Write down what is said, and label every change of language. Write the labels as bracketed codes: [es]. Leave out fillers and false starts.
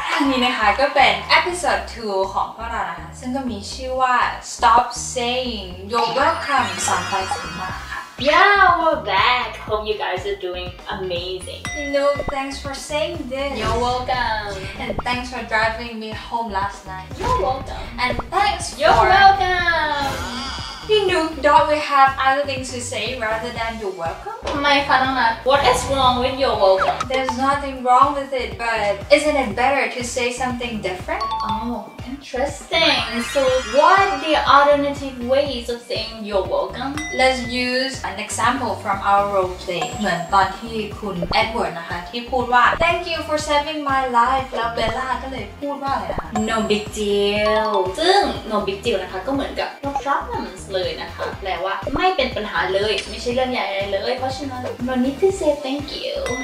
[th] นี่นะคะก็เป็นเอพิโซด2ของพวกเรานะคะซึ่งก็มีชื่อว่า Stop Saying You're Welcome สอนไปสุดมากค่ ะ [en] Yeah, we're back. Hope you guys are doing amazing. No, thanks for saying this. You're welcome. And thanks for driving me home last night. You're welcome. And thanks for... You're welcome. You know, don't we have other things to say rather than you're welcome? My father, what is wrong with your welcome? There's nothing wrong with it, but isn't it better to say something different? Oh, interesting. So what are the alternative ways of saying you're welcome? Let's use an example from our role play. [th] เหมือนตอนที่คุณ Edward นะคะที่พูดว่า [en] Thank you for saving my life. [th] แล้ว Bella ก็เลยพูดว่าอะไรอ่ะ [en] No big deal. [th] ซึ่ง [en] No big deal [th] นะคะก็เหมือนกับ [en] No problems [th] เลยนะคะแปลว่าไม่เป็นปัญหาเลยไม่ใช่เรื่องใหญ่อะไรเลยเราไม่ [en] need to say thank you